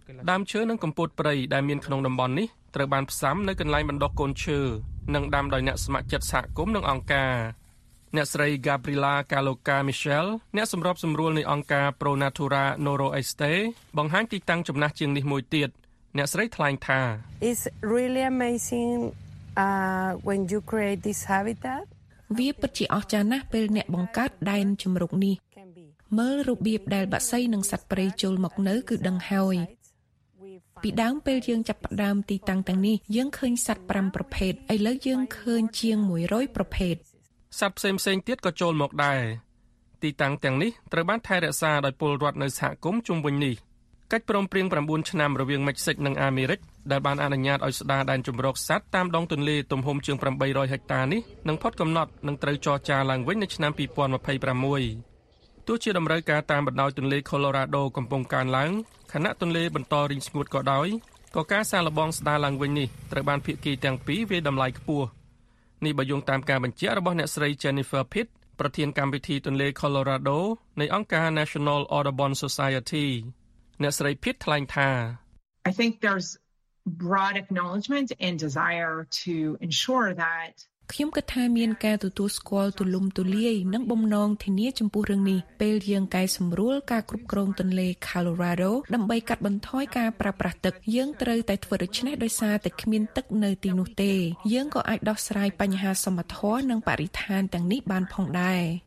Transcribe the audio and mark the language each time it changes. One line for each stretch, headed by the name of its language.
Khmer: ដើមឈើនិងកំពូតព្រៃដែលមានក្នុងតំបន់នេះត្រូវបានផ្សាំនៅកន្លែងបណ្ដុះកូនឈើនិងដាំដោយអ្នកស្ម័គ្រចិត្តសហគមន៍និងអង្គការអ្នកស្រី Gabriela Caloca Michelle អ្នកសម្របសម្រួលនៃអង្គការ Pro Natura Noro Este បង្ហាញទីតាំងចំណាស់ជាងនេះមួយទៀតអ្នកស្រីថ្លែងថា
English: It's really amazing when you create this habitat
Khmer: វាពិតជាអស្ចារ្យណាស់ពេលអ្នកបង្កើតដែនជំរកនេះមើលរបៀបដែលបក្សីនិងសត្វព្រៃចូលមកនៅគឺដឹងហើយពីដើមពេលយើងចាប់ផ្ដើមទីតាំងទាំងនេះយើងឃើញសត្វ5ប្រភេទឥឡូវយើងឃើញជាង100ប្រភេទ សត្វផ្សេងៗទៀតក៏ចូលមកដែរទីតាំងទាំងនេះត្រូវបានថែរក្សាដោយពលរដ្ឋនៅសហគមន៍ជុំវិញនេះកិច្ចព្រមព្រៀង9ឆ្នាំរវាងមិចសិកនិងអាមេរិកដែលបានអនុញ្ញាតឲ្យស្ដារដែនជំរកសត្វតាមដងទន្លេទំហំជាង800ហិកតានេះនឹងផុតកំណត់និងត្រូវចរចាឡើងវិញនៅឆ្នាំ 2026ទោះជាតម្រូវការតាមបណ្ដោយទន្លេ Colorado កំពុងកើនឡើងខណៈទន្លេបន្តរីងស្ងួតក៏ដោយក៏ការសាកល្បងស្ដារឡើងវិញនេះត្រូវបានភាគីទាំងពីរវាតម្លៃខ្ពស់នេះបើយោងតាមការបញ្ជាក់របស់អ្នកស្រី Jennifer Pitt ប្រធានកម្មវិធីទន្លេ Colorado នៃអង្គការ National Audubon Society អ្នកស្រី Pitt ថ្លែងថា
English: I think there'sbroad acknowledgement and desire to ensure that
Khmer: ខ្ញុំគិតថាមានការទទួលស្គាល់ទូលំទូលាយនិងបំណងធានាចំពោះរឿងនេះពេលយើងកែសម្រួលការគ្រប់គ្រងទន្លេ Colorado ដើម្បីកាត់បន្ថយការប្រព្រឹត្តទឹកយើងត្រូវតែធ្វើដូច្នេះដោយសារតែគ្មានទឹកនៅទីនោះទេយើងក៏អាចដោះស្រាយបញ្ហាសមត្ថភាពនិងបរិស្ថានទាំងនេះបានផងដែរ